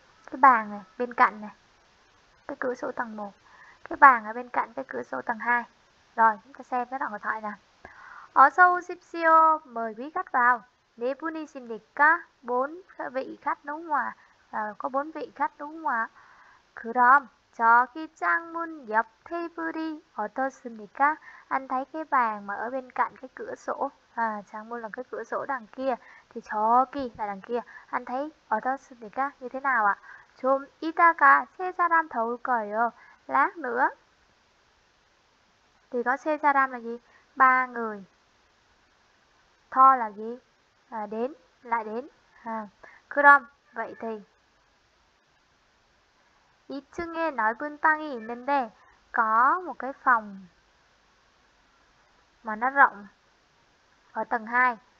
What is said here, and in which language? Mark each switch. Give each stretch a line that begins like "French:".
Vietnamese: Cái bàn này bên cạnh này. Cái cửa sổ tầng 1. Cái bàn ở bên cạnh cái cửa sổ tầng 2. Rồi, chúng ta xem cái đoạn hội thoại nào.
Korean: 어서 오십시오.
Vietnamese: Mời quý khách vào.
Korean: 네 분이십니까?
Vietnamese: 4 vị khách đúng không ạ? À, có 4 vị khách đúng không ạ?
Korean: 그럼 저기 창문 옆 테이블이 어떻습니까?
Vietnamese: Anh thấy cái bàn mà ở bên cạnh cái cửa sổ. À, 창문 là cái cửa sổ đằng kia. Thì 저기 là đằng kia. Anh thấy 어떻습니까? Như thế nào ạ?
Korean: 좀 이따가 세 사람 더 올 거예요.
Vietnamese: Lát nữa. Thì có
Korean: 세 사람
Vietnamese: là gì? 3 người. 더 là gì? À, đến, lại đến. À, 그럼, vậy thì.
Korean: 2층에 넓은 방이 있는데
Vietnamese: có một cái phòng mà nó rộng ở tầng 2.